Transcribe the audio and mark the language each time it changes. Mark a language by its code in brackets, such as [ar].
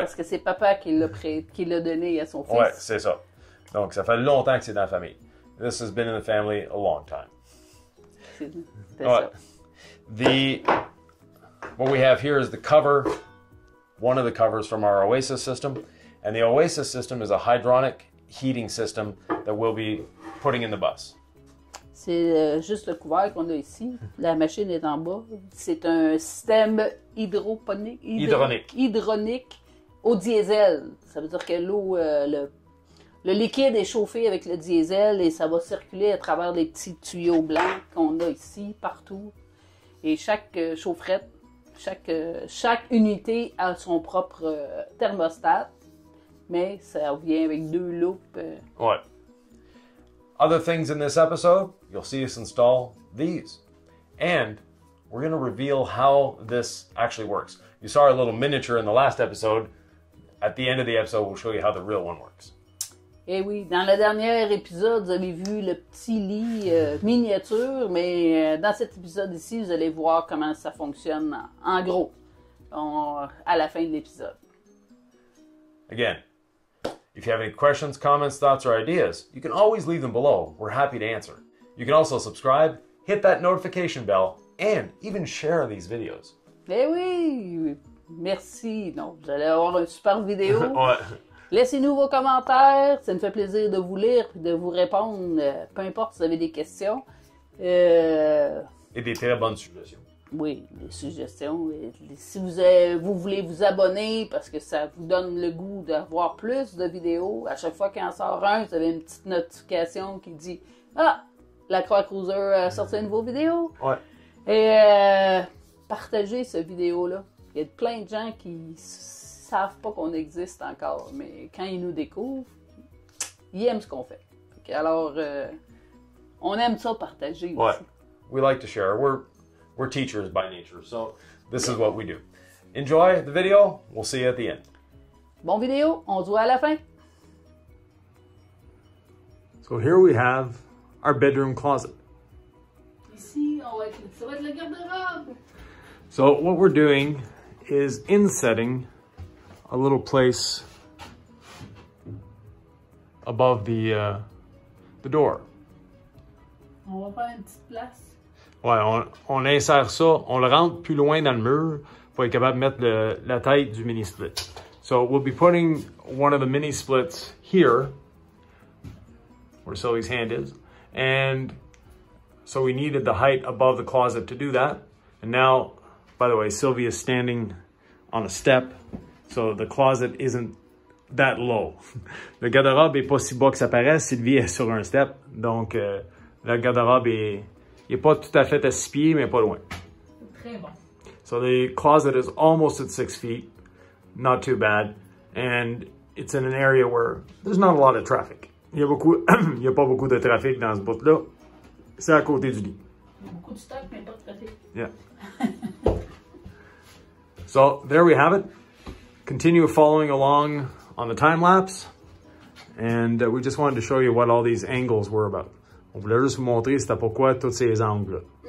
[fr] Parce que c'est papa qui l'a donné à son fils. Oui, c'est ça. Donc, ça fait longtemps que c'est dans la famille. [en] This has been in the family a long time. [fr] C'est ça. [en] What we have here is the cover, one of the covers from our Oasis system. And the Oasis system is a hydronic heating system that we'll be putting in the bus. [fr] C'est juste le couvercle qu'on a ici. La machine est en bas. C'est un système hydronique au diesel. Ça veut dire que l'eau, le liquide est chauffé avec le diesel et ça va circuler à travers les petits tuyaux blancs qu'on a ici, partout. Et chaque chaufferette, chaque unité a son propre thermostat. Mais ça vient avec deux loupes. Ouais. [en] Other things in this episode, you'll see us install these. And we're going to reveal how this actually works. You saw our little miniature in the last episode. At the end of the episode, we'll show you how the real one works. [fr] Eh oui, dans le dernier épisode, vous avez vu le petit lit miniature, mais dans cet épisode ici, vous allez voir comment ça fonctionne en gros à la fin de l'épisode. [en] Again, If you have any questions, comments, thoughts, or ideas, you can always leave them below. We're happy to answer. You can also subscribe, hit that notification bell, and even share these videos. [fr] Eh oui! Merci! Non, vous allez avoir une super vidéo. Laissez-nous vos commentaires. Ça me fait plaisir de vous lire et de vous répondre. Peu importe si vous avez des questions. Et des très bonnes suggestions. Oui, des suggestions. Si vous, avez, vous voulez vous abonner parce que ça vous donne le goût d'avoir plus de vidéos, à chaque fois qu'il en sort un, vous avez une petite notification qui dit « Ah! Lacroix Cruiser a sorti une nouvelle vidéo! » Ouais. Et partagez cette vidéo-là. Il y a plein de gens qui savent pas qu'on existe encore, mais quand ils nous découvrent, ils aiment ce qu'on fait. Alors, on aime ça partager aussi. Ouais. [en] We like to share. We're teachers by nature, so this is what we do. Enjoy the video. We'll see you at the end. [fr] Bon vidéo. On se voit à la fin. [en] So here we have our bedroom closet. [fr] Ici, on va être la garde-robe. [en] So what we're doing is insetting a little place above the door. [fr] On va faire une petite place. Ouais, on insère ça, on le rentre plus loin dans le mur pour être capable de mettre la tête du mini split. [en] So we'll be putting one of the mini splits here, where Sylvie's hand is. And so we needed the height above the closet to do that. And now, by the way, Sylvie is standing on a step, so the closet isn't that low. [fr] Le garde-robe est pas si bas que ça paraît, Sylvie est sur un step, donc le garde-robe est... Il n'est pas tout à fait à 6 pieds, mais pas loin. Très bon. [en] So the closet is almost at 6 feet. Not too bad. And it's in an area where there's not a lot of traffic. [fr] Il n'y a pas beaucoup de trafic dans ce bout-là. C'est à côté du lit. Il y a beaucoup de stock, mais pas de trafic. [en] Yeah. So there we have it. Continue following along on the time lapse. And we just wanted to show you what all these angles were about. [fr] On voulait juste vous montrer c'était pourquoi tous ces angles.